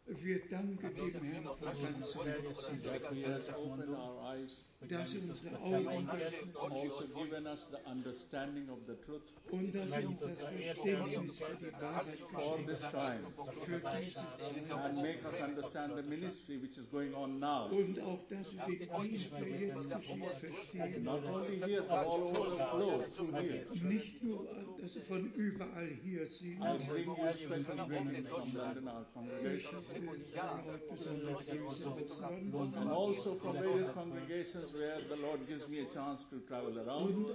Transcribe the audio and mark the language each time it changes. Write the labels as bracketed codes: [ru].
[de] Wir danken dem Herrn von ganzem Herzen, dass er unsere Augen geöffnet hat und dass er uns das Verständnis für die Wahrheit geschenkt hat für diese Zeit und [en] make us understand the ministry which is going on now. [de] Und auch dass wir den Dienst, der jetzt geschieht, verstehen. [en] Not only here, but all over the globe. [de] Nicht nur, dass wir von überall hier sind. [en] I bring you special greetings from London, our congregation. And also from various congregations where the Lord gives me a chance to travel around.